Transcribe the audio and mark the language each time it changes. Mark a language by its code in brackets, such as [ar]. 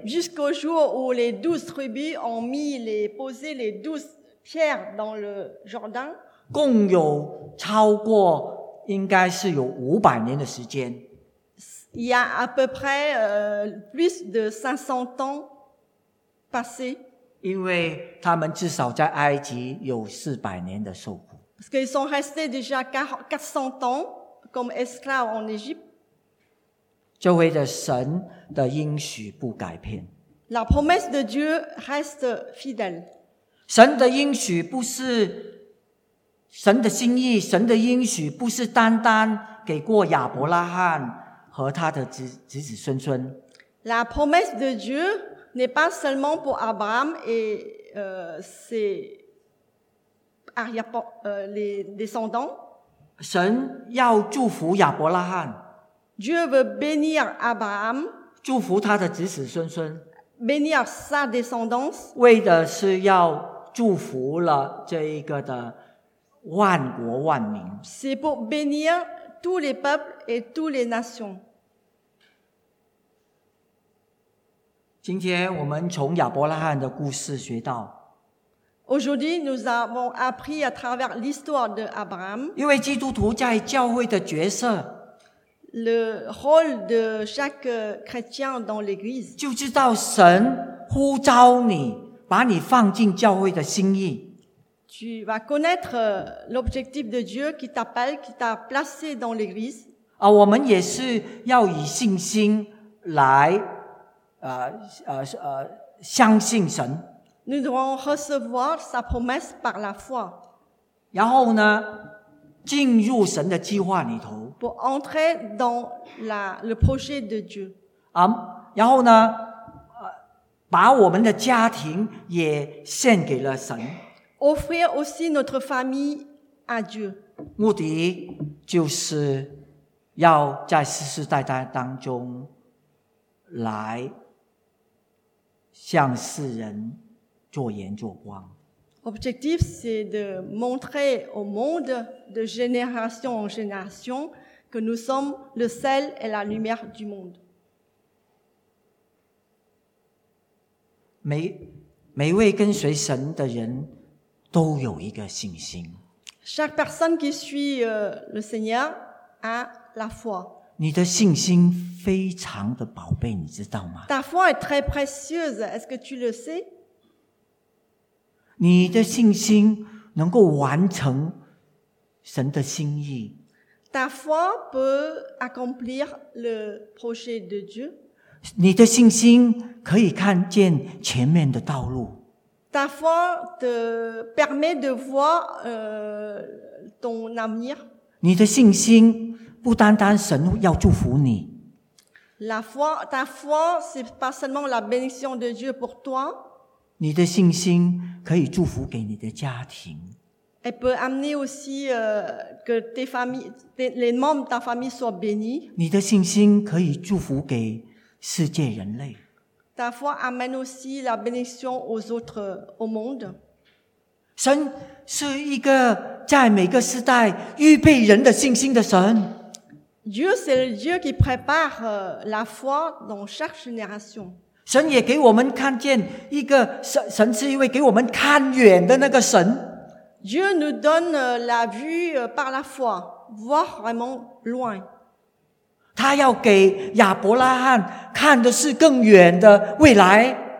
[fr] Jusqu'au jour où les 12 tribus ont posé les 12 pierres dans le Jourdain. [zh] 共有超过应该是有500年的时间。 [fr] Il y a à peu près plus de 500 ans passé. [zh] 因为他们至少在埃及有400年的受苦。 [fr] Parce qu'ils sont restés déjà 400 ans comme esclaves en Égypte. [zh] 这位的神的应许不改变。 [fr] La promesse de Dieu reste fidèle. [zh] 神的应许不是神的心意，神的应许不是单单给过亚伯拉罕和他的子子孙孙。 [fr] La promesse de Dieu n'est pas seulement pour Abraham et les descendants. [zh] 神要祝福亚伯拉罕。 [fr] Dieu veut bénir Abraham. [zh] 祝福他的子子孙孙。 [fr] Bénir sa descendance. [zh] 为的是要祝福了这一个的万国万民。 [fr] C'est pour bénir tous les peuples et toutes les nations. [zh] 今天我们从亚伯拉罕的故事学到。 [fr] Aujourd'hui, nous avons appris à travers l'histoire d'Abraham. [zh] 因为基督徒在教会的角色。 [fr] Le rôle de chaque chrétien dans l'église. [zh] 就知道神呼召你，把你放进教会的心意。 [fr] Tu vas connaître l'objectif de Dieu qui t'appelle, qui t'a placé dans l'église. [zh] 啊，我们也是要以信心来，相信神。 [fr] Nous devons recevoir sa promesse par la foi. [zh] 然后呢，进入神的计划里头。 [fr] Pour entrer dans le projet de Dieu. [zh] 啊，然后呢，把我们的家庭也献给了神。 [fr] Offrir aussi notre famille à Dieu. [zh] 目的就是要在世世代代当中来向世人做盐做光。 [fr] Objectif, c'est de montrer au monde de génération en génération que nous sommes le sel et la lumière du monde. [zh] 每位跟随神的人都有一个信心。 [fr] Chaque personne qui suit le Seigneur a la foi. [zh] 你的信心非常的宝贝，你知道吗？ [fr] Ta foi est très précieuse, est-ce que tu le sais? [zh] 你的信心能够完成神的心意。 [fr] Ta foi peut accomplir le projet de Dieu. [zh] 你的信心可以看见前面的道路。 [fr] Ta foi te permet de voir, ton avenir. [zh] 你的信心不单单神要祝福你。 [fr] La foi, ta foi, c'est pas seulement la bénédiction de Dieu pour toi. [zh] 你的信心可以祝福给你的家庭。 [fr] Elle peut amener aussi, que tes familles, les membres de ta famille soient bénis. [zh] 你的信心可以祝福给世界人类。 [fr] Ta foi amène aussi la bénédiction aux autres, au monde. [zh] 神是一个在每个时代预备人的信心的神。 [fr] Dieu, c'est le Dieu qui prépare la foi dans chaque génération. [zh] 神也给我们看见一个 神是一位给我们看远的那个神。 [fr] Dieu nous donne la vue par la foi, voir vraiment loin. [zh] 他要给亚伯拉罕看的是更远的未来。